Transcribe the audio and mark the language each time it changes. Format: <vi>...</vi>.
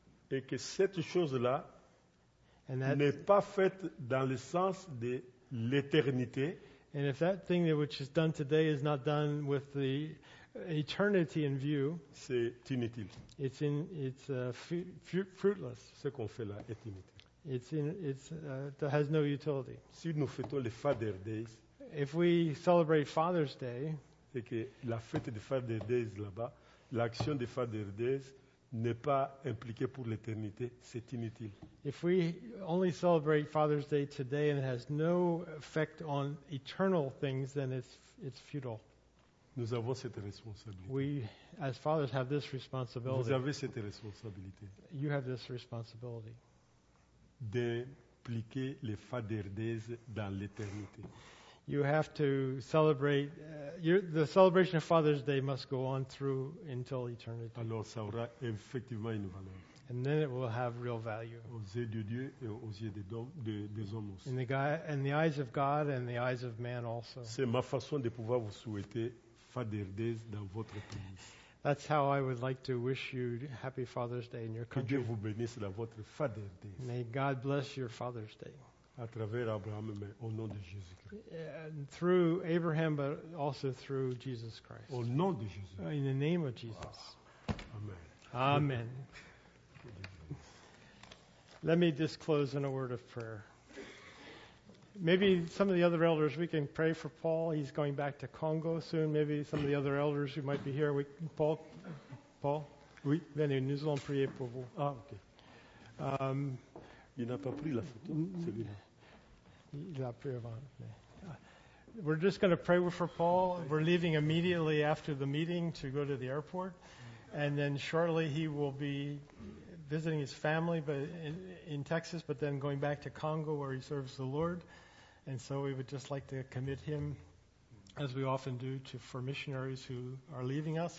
<fr>Et que cette chose-là n'est pas faite dans le sens de l'éternité.</fr> <en>And if that thing that which is done today is not done with the eternity in view,</en> <fr>c'est inutile.</fr> <en>It's fruitless.</en> <fr>Ce qu'on fait là est inutile.</fr> <en>Has no utility.</en> <fr>Si nous fêtons les Father's Days,</fr> <en>if we celebrate Father's Day,</en> <fr>et que la fête de Father's Days là-bas, l'action de Father's Days n'est pas impliquée pour l'éternité, c'est inutile.</fr> <en>If we only celebrate Father's Day today and it has no effect on eternal things, then it's futile.</en> <fr>Nous avons cette responsabilité.</fr> <en>We, as fathers, have this responsibility.</en> <fr>Vous avez cette responsabilité.</fr> <en>You have this responsibility.</en> <fr>D'impliquer les Father's Days dans l'éternité.</fr> <en>You have to celebrate. The celebration of Father's Day must go on through until eternity.</en> <fr>Alors, ça aura effectivement une valeur.</fr> <en>And then it will have real value.</en> <fr>Aux yeux de Dieu et aux yeux des hommes aussi.</fr> <en>In the eyes of God and the eyes of man also.</en> <fr>C'est ma façon de pouvoir vous souhaiter Father's Day dans votre pays.</fr> <en>That's how I would like to wish you happy Father's Day in your country.</en> <fr>Que Dieu vous bénisse dans votre Father's Day.</fr> <en>May God bless your Father's Day.</en> <fr>À travers Abraham, mais au nom de Jésus-Christ.</fr> <en>Through Abraham, but also through Jesus Christ.</en> <fr>Au nom de Jésus.</fr> <en>In the name of Jesus. Wow. Amen. Amen. Let me just close in a word of prayer. Maybe some of the other elders, we can pray for Paul. He's going back to Congo soon. Maybe some of the other elders who might be here. Paul?</en> <fr>Oui. Venez, nous allons prier pour vous.</fr> <en>Ah, OK.</en> <fr>Il n'a pas pris la photo, celui-là. Il l'a pris avant.</fr> <en>We're just going to pray for Paul. We're leaving immediately after the meeting to go to the airport. And then shortly he will be visiting his family in Texas, but then going back to Congo where he serves the Lord. And so we would just like to commit him, as we often do, for missionaries who are leaving us.</en>